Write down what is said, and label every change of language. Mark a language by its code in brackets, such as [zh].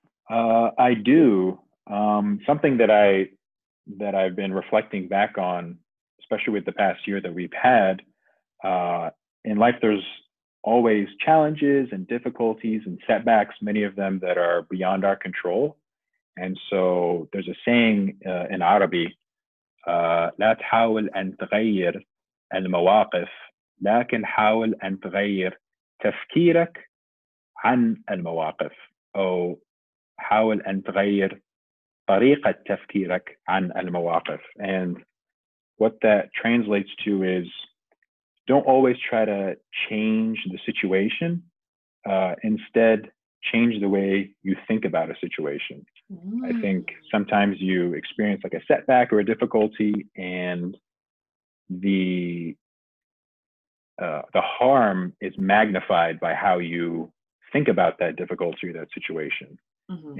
[en] I do. Something that I've been reflecting back on, especially with the past year that we've had, in life there's always challenges and difficulties and setbacks, many of them that are beyond our control. And so there's a saying in Arabi, [ar] لا تحاول أن تغير المواقف لكن حاول أن تغير تفكيرك عن المواقف. Oh, حاول أن تغير طريقة تفكيرك عن المواقف. [en] And what that translates to is, don't always try to change the situation. Instead, change the way you think about a situation. Mm. I think sometimes you experience like a setback or a difficulty, and the harm is magnified by how you think about that difficulty or that situation. Mm-hmm.